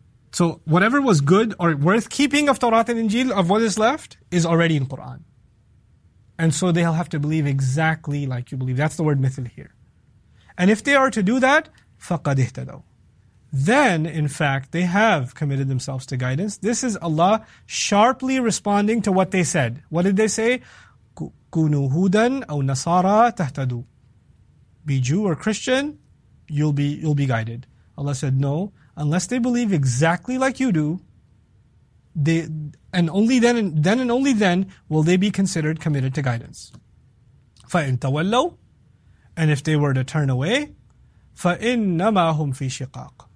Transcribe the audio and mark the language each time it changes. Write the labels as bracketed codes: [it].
[en] So whatever was good or worth keeping of Torah and Injil, of what is left, is already in Qur'an. And so they'll have to believe exactly like you believe. That's the word mithil here. And if they are to do that, [ar] فَقَدْ اِهْتَدَوْا. [en] Then, in fact, they have committed themselves to guidance. This is Allah sharply responding to what they said. What did they say? [ar] كُنُوا هُودًا أَوْ نَصَارَى تَهْتَدُوا. [en] Be Jew or Christian, you'll be guided. Allah said, no. Unless they believe exactly like you do, then will they be considered committed to guidance. [ar] فَإِن تَوَلَّوْا. [en] And if they were to turn away, [ar] فَإِنَّمَا هُمْ فِي شِقَاقٍ.